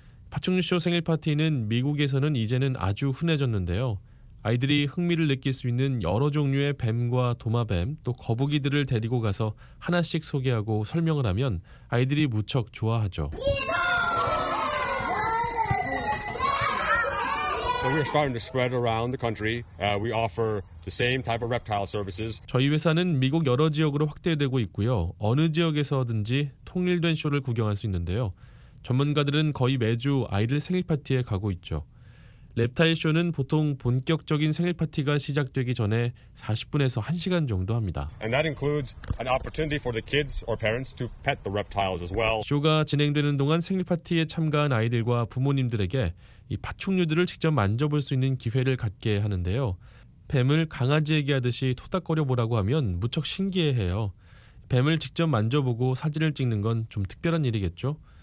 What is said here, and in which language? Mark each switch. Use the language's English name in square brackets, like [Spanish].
[Korean] 파충류 쇼 생일 파티는 미국에서는 이제는 아주 흔해졌는데요. 아이들이 흥미를 느낄 수 있는 여러 종류의 뱀과 도마뱀, 또 거북이들을 데리고 가서 하나씩 소개하고 설명을 하면 아이들이 무척 좋아하죠. [English] So we're starting to spread around the country. We offer the same type of reptile services. [Korean] 저희 회사는 미국 여러 지역으로 확대되고 있고요. 어느 지역에서든지 통일된 쇼를 구경할 수 있는데요. 전문가들은 거의 매주 아이들 생일 파티에 가고 있죠. 랩타일 쇼는 보통 본격적인 생일 파티가 시작되기 전에 40분에서 1시간 정도 합니다. [English] And that includes an opportunity for the kids or parents to pet the reptiles as well. [Korean] 쇼가 진행되는 동안 생일 파티에 참가한 아이들과 부모님들에게 이 파충류들을 직접 만져볼 수 있는 기회를 갖게 하는데요. 뱀을 강아지에게 하듯이 토닥거려 보라고 하면 무척 신기해해요. 뱀을 직접 만져보고 사진을 찍는 건 좀 특별한 일이겠죠?